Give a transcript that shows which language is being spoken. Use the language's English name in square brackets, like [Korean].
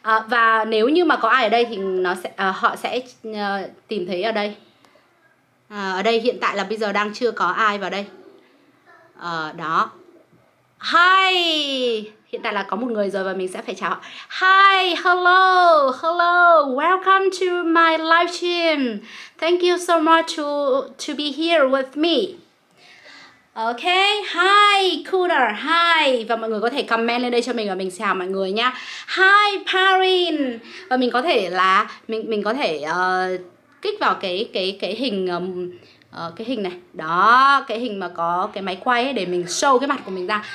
[Vietnamese] Và nếu như mà có ai ở đây thì nó sẽ họ sẽ tìm thấy ở đây. Ở đây hiện tại là bây giờ đang chưa có ai vào đây. Đó. Hi, hiện tại là có một người rồi và mình sẽ phải chào. [English] Hi, hello, welcome to my live stream. Thank you so much to be here with me. Ok, hi Cooler, hi. [Vietnamese] Và mọi người có thể comment lên đây cho mình và mình chào mọi người nha. Hi Parin. Và mình có thể là mình có thể kích vào cái hình cái hình này. Đó, cái hình mà có cái máy quay ấy, để mình show cái mặt của mình ra.